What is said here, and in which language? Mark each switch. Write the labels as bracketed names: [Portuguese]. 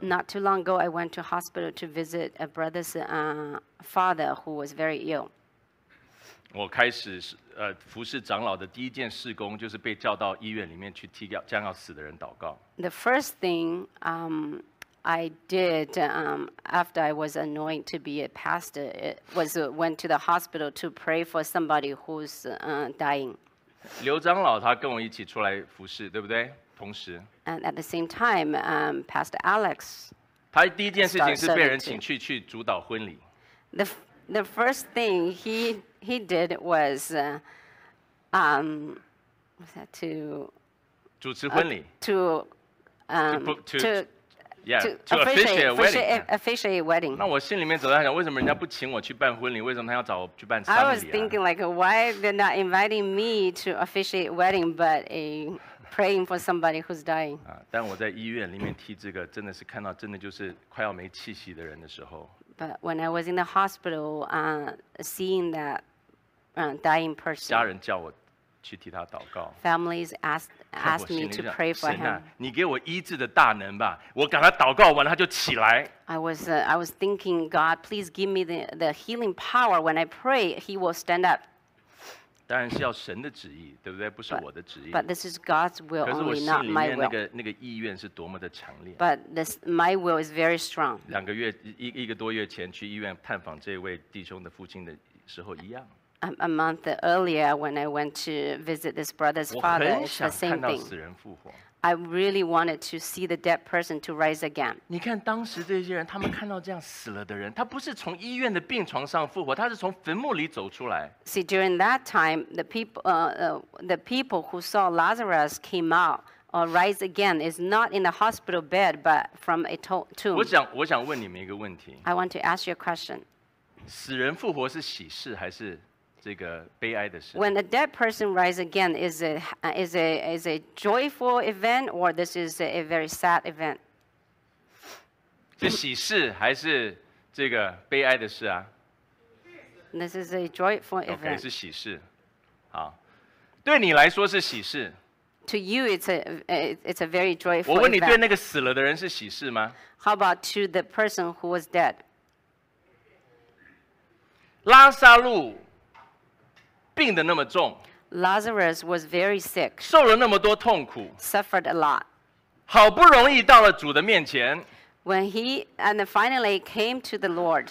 [English] Not too long ago, I went to hospital to visit a brother's father who was very ill. [Chinese] 我开始服侍长老的第一件事工就是被叫到医院里面去替将要死的人祷告。 [English] The first thing, I did after I was anointed to be a pastor. It was went to the hospital to pray for somebody who's dying. [Chinese] 刘长老他跟我一起出来服侍，对不对？同时。 [English] And at the same time, Pastor Alex. [Chinese] 他第一件事情是被人请去主导婚礼。 [English] The first thing he did was what's that to [Chinese] 主持婚礼 [English] to Yeah, to officiate a wedding. [Chinese] 那我心里面总在想，为什么人家不请我去办婚礼？为什么他要找我去办丧礼啊？ [English] I was thinking like, why they're not inviting me to officiate a wedding, but a praying for somebody who's dying. [Chinese] 但我在医院里面替这个，真的是看到，真的就是快要没气息的人的时候。 [English] But when I was in the hospital, seeing that dying person. [Chinese] 家人叫我去替他祷告。 [English] Families asked me to pray for him. [Chinese] 你给我医治的大能吧，我给他祷告完了他就起来。 [English] I was thinking, God, please give me the healing power. When I pray, he will stand up. [Chinese] 当然是要神的旨意，对不对？不是我的旨意。 [English] But this is God's will, only not my will. [Chinese] 可是我心里面那个意愿是多么的强烈。 [English] But this my will is very strong. [Chinese] 两个月一个多月前去医院探访这位弟兄的父亲的时候一样。 [English] A month earlier, when I went to visit this brother's father, it's the same thing. I really wanted to see the dead person to rise again. [Chinese] 你看当时这些人，他们看到这样死了的人，他不是从医院的病床上复活，他是从坟墓里走出来。 [English] See, during that time, the people who saw Lazarus came out or rise again is not in the hospital bed, but from a tomb. [Chinese] 我想问你们一个问题。 [English] I want to ask you a question. [Chinese] 死人复活是喜事还是？这个悲哀的事。 [English] When a dead person rises again, is a joyful event or this is a very sad event? [Chinese] 是喜事还是这个悲哀的事啊？ [English] This is a joyful event. [Chinese] Okay, 是喜事。好，对你来说是喜事。 [English] To you, it's a very joyful event. [Chinese] 我问你，对那个死了的人是喜事吗？ [English] How about to the person who was dead? [Chinese] 拉撒路病得那么重。 [English] Lazarus was very sick. [Chinese] 受了那么多痛苦。 [English] Suffered a lot. [Chinese] 好不容易到了主的面前。 [English] When he and finally came to the Lord.